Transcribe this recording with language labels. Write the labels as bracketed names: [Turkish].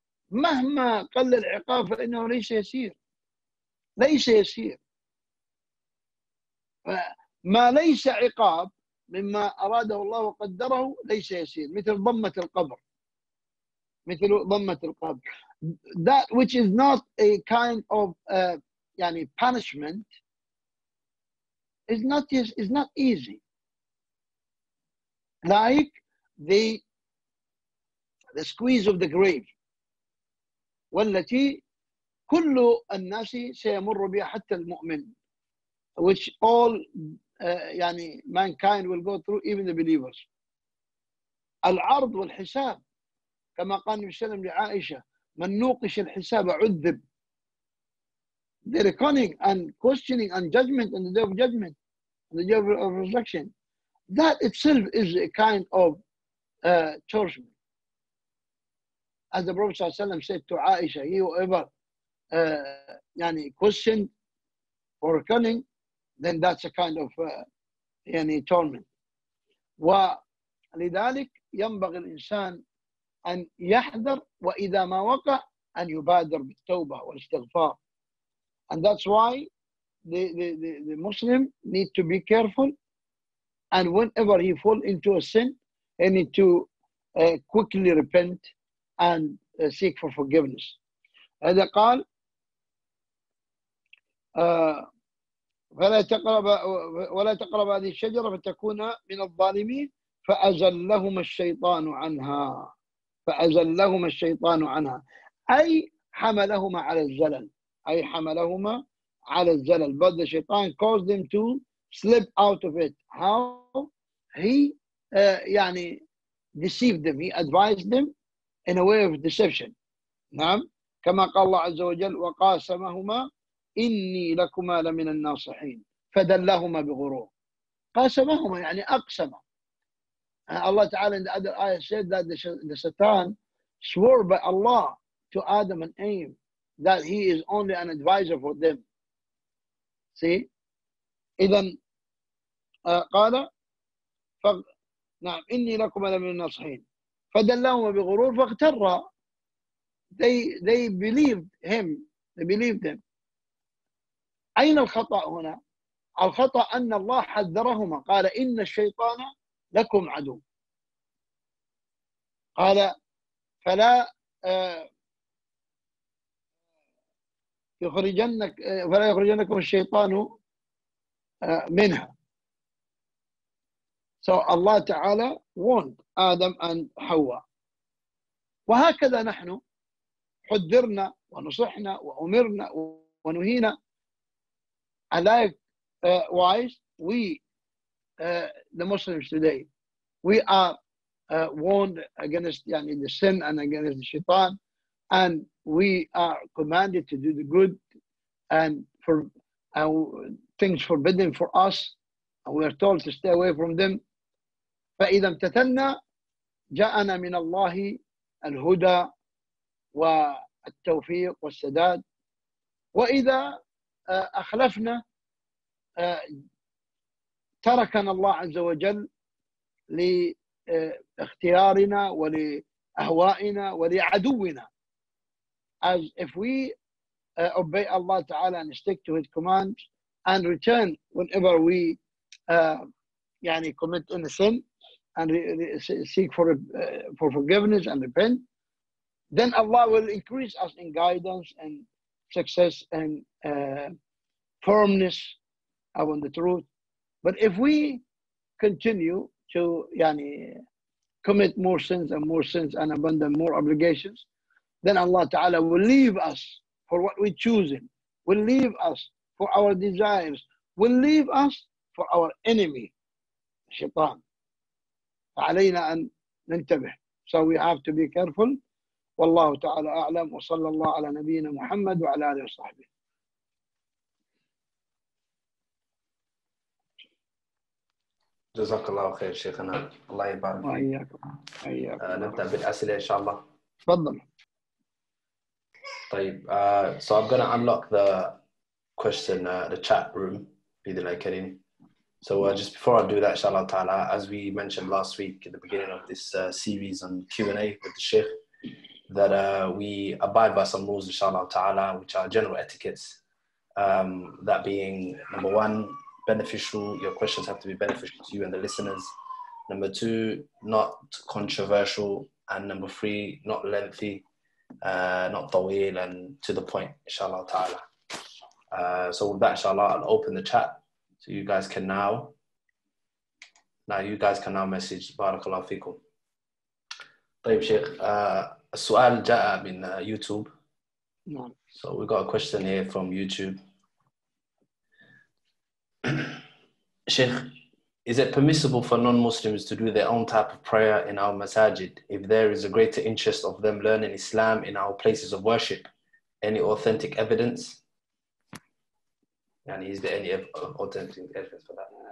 [Arabic] مهما قل العقاب فإنه ليس يسير. ليس يسير. ما ليس عقاب مما أراده الله وقدره ليس يسير. مثل ضمة القبر. مثل ضمة القبر. [English] That which is not a kind of يعني punishment is not easy. Like the squeeze of the grave. [Arabic] والتي كل الناس سيمر بها حتى المؤمن. [English] Which all يعني mankind will go through, even the believers. [Arabic] العرض والحساب كما قال النبي صلى الله عليه وسلم لعائشة, من نوقش الحساب عذب. [English] The reckoning and questioning and judgment on the day of judgment, on the day of resurrection, that itself is a kind of torment. As the Prophet [Arabic] صلى الله عليه وسلم [English] said to Aisha, he whoever يعني questioned or reckoning, then that's a kind of يعني torment. [Arabic] ولذلك ينبغي الإنسان أن يحذر، وإذا ما وقع أن يبادر بالتوبة والاستغفار. [English] And that's why the Muslim need to be careful, and whenever he fall into a sin, he need to quickly repent and seek for forgiveness. [Arabic] هذا قال ولا تقرب هذه الشجرة فتكون من الظالمين. فأزلهم الشيطان عنها، فأزلهم الشيطان عنها، أي حملهما على الزلل، أي حملهما على الزلل. [English] But the shaitan caused them to slip out of it. How? He يعني deceived them. He advised them in a way of deception. [Arabic] نعم. كما قال الله عز وجل وقاسمهما إني لكما لمن الناصحين فدلهما بغرور. قاسمهما يعني أقسم. [English] Allah Ta'ala in the other ayah said that the Satan swore by Allah to Adam and Eve that he is only an advisor for them. See? [Arabic] إذن قال نعم إني لكم لمن الناصحين فدلهما بغرور فاغتر. [English] They believed him. They believed him. [Arabic] أين الخطأ هنا؟ الخطأ أن الله حذرهما، قال إن الشيطان لكم عدو، قال فلا يخرجنك، فلا يخرجنكم الشيطان منها. [English] So Allah Ta'ala warned Adam and Hawa. [Arabic] وهكذا نحن حذرنا ونصحنا وأمرنا ونهينا. [English] Alike wise, we the Muslims today, we are warned against يعني the sin and against the shaitan, and we are commanded to do the good, and for things forbidden for us, and we are told to stay away from them. [Arabic] فإذا امتثلنا جاءنا من الله الهدى والتوفيق والسداد، وإذا أخلفنا تركنا الله عز وجل لاختيارنا ولأهوائنا ولعدونا. [English] As if we obey Allah Ta'ala and stick to His commands and return whenever we يعني commit in a sin and seek for forgiveness and repent, then Allah will increase us in guidance and success and firmness upon the truth. But if we continue to يعني commit more sins and more sins and abandon more obligations, then Allah Ta'ala will leave us for what we choosing, will leave us for our desires, will leave us for our enemy, Shaitan. [Arabic] فعلينا أن ننتبه. [English] So we have to be careful. [Arabic] والله تعالى أعلم، وصلى الله على نبينا محمد وعلى آله وصحبه. جزاك الله خير شيخنا، الله يبارك فيك. نبدأ بالأسئلة إن شاء الله. تفضل. [English] طيب، so I'm gonna unlock the question, the chat room, [Arabic] بإذن الله الكريم. [English] So just before I do that, inshallah ta'ala, as we mentioned last week at the beginning of this series on Q&A with the Sheikh, that we abide by some rules, inshallah ta'ala, which are general etiquettes. That being, number one, beneficial. Your questions have to be beneficial to you and the listeners. Number two, not controversial. And number three, not lengthy, not taweel, and to the point, inshallah ta'ala. So with that, inshallah, I'll open the chat. So you guys can now you guys can now message. Barakallahu feekum. [Arabic] طيب شيخ، السؤال جاء من يوتيوب. نعم. [English] So we got a question here from YouTube. شيخ، is it permissible for non-Muslims to do their own type of prayer in our masajid if there is a greater interest of them learning Islam in our places of worship? Any authentic evidence? And is there any authentic evidence for that?